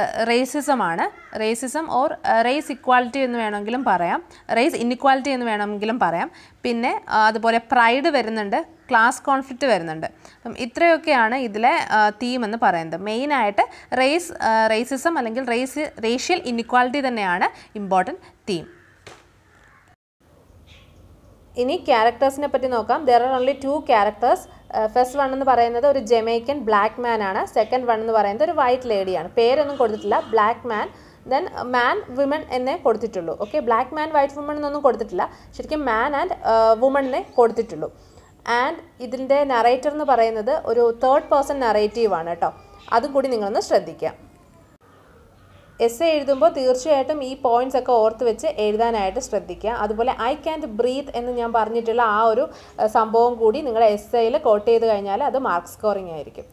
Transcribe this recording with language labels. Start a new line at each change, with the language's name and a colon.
Malayalam: റേസിസമാണ് racism or raise equality എന്ന് വേണമെങ്കിലും പറയാം റേസ് ഇൻഇക്വാലിറ്റി എന്ന് വേണമെങ്കിലും പറയാം പിന്നെ അതുപോലെ പ്രൈഡ് വരുന്നുണ്ട് ക്ലാസ് കോൺഫ്ലിക്റ്റ് വരുന്നുണ്ട് അപ്പം ഇത്രയൊക്കെയാണ് ഇതിലെ തീം എന്ന് പറയുന്നത് മെയിനായിട്ട് റേസ് റേസിസം അല്ലെങ്കിൽ റേസ് റേഷ്യൽ ഇൻഇക്വാലിറ്റി തന്നെയാണ് ഇമ്പോർട്ടൻറ്റ് തീം ഇനി ക്യാരക്ടേഴ്സിനെ പറ്റി നോക്കാം
English: there are only two characters
Malayalam: first one എന്ന് പറയുന്നത് ഒരു ജമൈക്കൻ ബ്ലാക്ക് മാൻ ആണ് സെക്കൻഡ് വൺ എന്ന് പറയുന്നത് ഒരു വൈറ്റ് ലേഡിയാണ് പേരൊന്നും കൊടുത്തിട്ടില്ല black man
English: then man, women
Malayalam: എന്നേ കൊടുത്തിട്ടുള്ളൂ. Okay, black man, white woman എന്നൊന്നും കൊടുത്തിട്ടില്ല. ശരിക്കും മാൻ ആൻഡ് വുമൺ എന്നേ കൊടുത്തിട്ടുള്ളൂ. ആൻഡ് ഇതിൻ്റെ നറേറ്റർ എന്ന് പറയുന്നത് ഒരു തേർഡ് പേഴ്സൺ നറേറ്റീവ് ആണ് കേട്ടോ. അതും കൂടി നിങ്ങളൊന്ന് ശ്രദ്ധിക്കുക. എസ് എഴുതുമ്പോൾ തീർച്ചയായിട്ടും ഈ പോയിൻറ്സ് ഒക്കെ ഓർത്ത് വെച്ച് എഴുതാനായിട്ട് ശ്രദ്ധിക്കുക. അതുപോലെ
English: I can't breathe
Malayalam: എന്ന് ഞാൻ പറഞ്ഞിട്ടുള്ള ആ ഒരു സംഭവം കൂടി നിങ്ങൾ എസ് എയിൽ കോട്ട് ചെയ്ത് കഴിഞ്ഞാൽ അത് മാർക്ക് സ്കോറിംഗ് ആയിരിക്കും.